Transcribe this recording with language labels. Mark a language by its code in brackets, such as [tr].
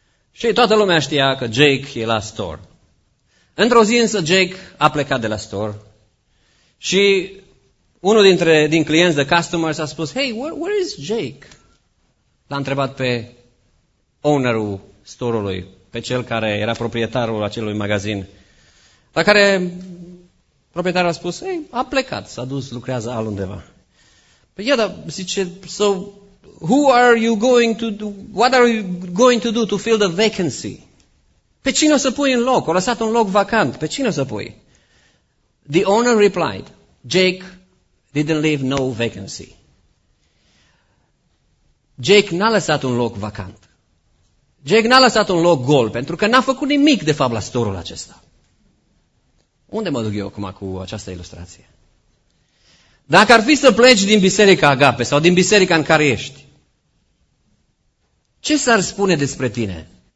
[ro] Și toată lumea știa că Jake e la store. Într-o zi însă Jake a plecat de la store și unul dintre din clienți, [en] the customers, [ro] a spus, [en] hey, where is Jake? [ro] L-a întrebat pe ownerul store-ului, pe cel care era proprietarul acelui magazin, la care proprietarul a spus, hey, a plecat, s-a dus, lucrează altundeva. Păi, ia, dar zice, [en] so, who are you going to do, what are you going to do to fill the vacancy? [ro] Pe cine o să pui în loc? O lăsat un loc vacant, pe cine o să pui? [en] The owner replied, Jake didn't leave no vacancy. [ro] Jake n-a lăsat un loc vacant. Jake n-a lăsat un loc gol, pentru că n-a făcut nimic, de fapt, la store-ul acesta. Unde mă duc eu acum cu această ilustrație? Dacă ar fi să pleci din Biserica Agape sau din biserica în care ești, ce s-ar spune despre tine?